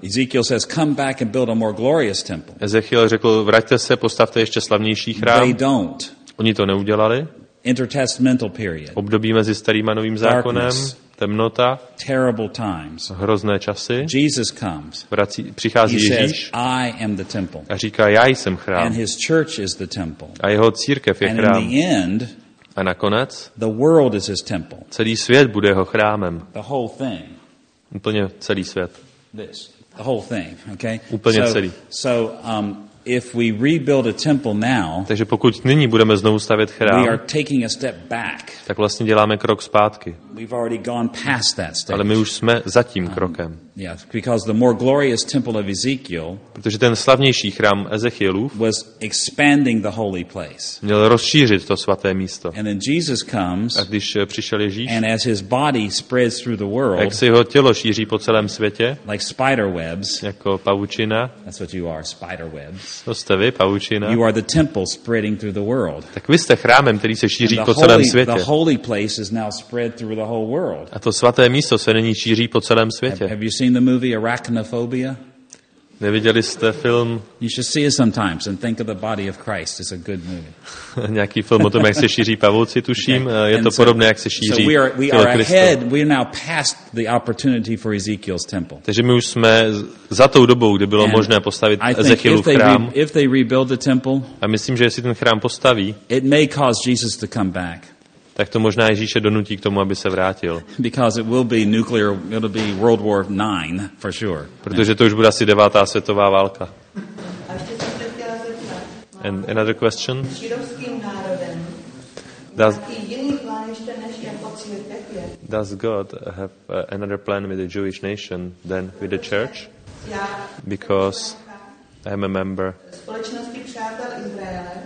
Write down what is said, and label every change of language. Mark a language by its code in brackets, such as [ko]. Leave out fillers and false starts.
[en] Ezekiel says, come back and build a more glorious temple. [cs] Ezechiel řekl, vraťte se, postavte ještě slavnější chrám. [en] They don't. [cs] Oni to neudělali. [en] Intertestamental period. [cs] Období mezi starým a novým zákonem. [en] Darkness. [cs] Temnota, [en] terrible times. [cs] Hrozné časy. [en] Jesus comes. [cs] Přichází Ježíš. [en] He says, I am the temple. [cs] A říká, já jsem chrám. [en] And his church is the temple. [cs] A jeho církev je chrám. [en] And in the end, [cs] a nakonec, [en] the world is his temple. [cs] Celý svět bude jeho chrámem. [en] The whole thing. [cs] Úplně celý svět. [en] This. The whole thing, okay? [cs] Úplně [en] so, [cs] celý. [en] So, if we rebuild a temple now, [cs] takže pokud nyní budeme znovu stavět chrám, [en] we are taking a step back. [cs] Tak vlastně děláme krok zpátky. [en] We've already gone past that stage. [cs] Ale my už jsme za tím krokem. [en] Yeah, because the more glorious temple of Ezekiel, [cs] protože ten slavnější chrám Ezechielův, [en] was expanding the holy place. [cs] Měl rozšířit to svaté místo. [en] And then Jesus comes, [cs] a když přišel Ježíš, [en] and as his body spreads through the world, [cs] jak se jeho tělo šíří po celém světě, [en] like spider webs, [cs] jako pavučina, [en] that's what you are, spider webs. [cs] To jste vy, pavučina. [en] You are the temple spreading through the world. [cs] Tak vy jste chrámem, který se šíří po celém světě. [en] The holy place is now spread through the whole world. [cs] A to svaté místo se nyní šíří po celém světě. [en] Have you seen the movie Arachnophobia? [cs] Neviděli jste film? [en] You should see it sometimes and think of the body of Christ. It's a good movie. [cs] Nějaký film o tom, jak se šíří pavouci, tuším. [en] Okay. [cs] Je to [en] so, [cs] podobné, jak se šíří [en] so we are ahead. We are now past the opportunity for Ezekiel's temple. [cs] Takže my už jsme za tou dobou, kdy bylo [en] and [cs] možné postavit Ezechielův chrám. [en] If they rebuild the temple, [cs] a myslím, že jestli ten chrám postaví, [en] it may cause Jesus to come back. [cs] Tak to možná Ježíše donutí k tomu, aby se vrátil. [en] Because it will be nuclear, it'll be World War IX for sure. [cs] Protože to už bude asi devátá světová válka. A ještě jsem se chtěla zeptat. [en] And another question. [cs] Židovským národem. [en] Does [cs] jiný plán ještě než jako církev? [en] Does God have another plan with the Jewish nation than with the church? [cs] Já. [en] Because I'm a member. [cs] Společnosti přátel Izraele.